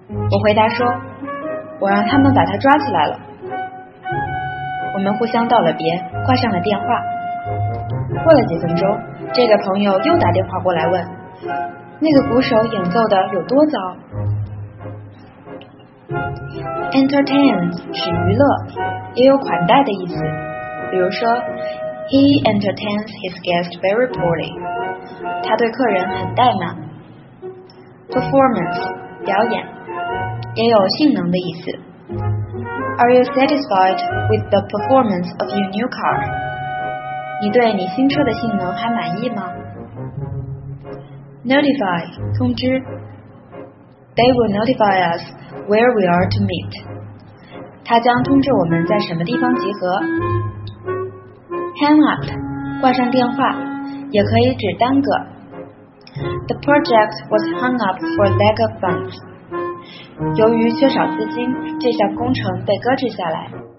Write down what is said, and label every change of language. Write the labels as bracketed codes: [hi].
[zh] 我回答说，我让他们把他抓起来了。我们互相道了别，挂上了电话。过了几分钟，这个朋友又打电话过来问，那个鼓手演奏的有多糟？ Entertain 是娱乐，也有款待的意思，比如说 [en] He entertains his guests very poorly. [zh] 他对客人很怠慢。 Performance, 表演，也有性能的意思。 [en] Are you satisfied with the performance of your new car? [zh] 你对你新车的性能还满意吗？ Notify, 通知。 [en] They will notify us where we are to meet. [zh] 他将通知我们在什么地方集合。Hang up, 挂上电话，也可以指耽搁。 [en] The project was hung up for lack of funds. [zh] 由于缺少资金，这项工程被搁置下来。